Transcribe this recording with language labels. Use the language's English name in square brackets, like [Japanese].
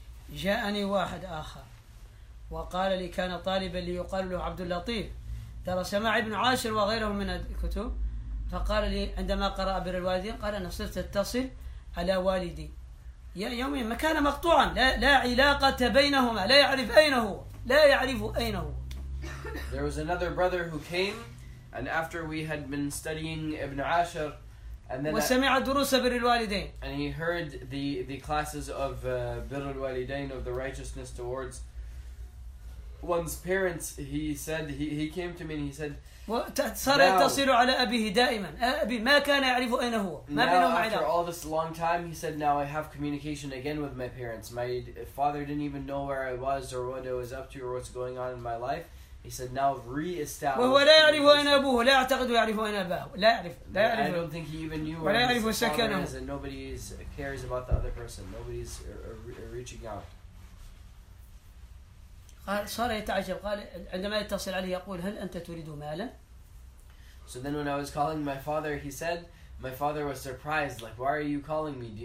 [Arabic] جاءني واحد آخر وقال لي كان طالبا ليقال له عبد اللطيف درس مع ابن عاشر وغيره من الكتب. فقال لي عندما قرأ بر الوالدين قال أنا صرت أتصل على والدي يوميا ما كان مقطوعا لا علاقة بينهما لا يعرف أين هو لا يعرف أين هو. [English] There was another brother who came, and after we had been studying Ibn Ashir, and then [Arabic] وسمع دروس بر الوالدين. [English] And he heard the classes of بر الوالدين, of the righteousness towards one's parents. He said he came to me and he said. [Arabic] وصار يتصل على أبيه دائما. أبي ما كان يعرف أين هو. ما بينهم علاقة. [English] After all this long time, he said, now I have communication again with my parents. My father didn't even know where I was or what I was up to or what's going on in my life. He said, now re-establish. [Arabic] وهو لا يعرف أين أبوه. لا أعتقد يعرف أين أباه. لا يعرف. لا يعرف. [English] I don't think he even knew where his father [Arabic] سكنه. [English] Is, and nobody cares about the other person. Nobody's reaching out. [Arabic] صار يتعجب قال عندما يتصل عليه يقول هل أنت تريد مالا؟ [English] So then when I was calling my father, he said, my father was surprised, like, why are you calling me?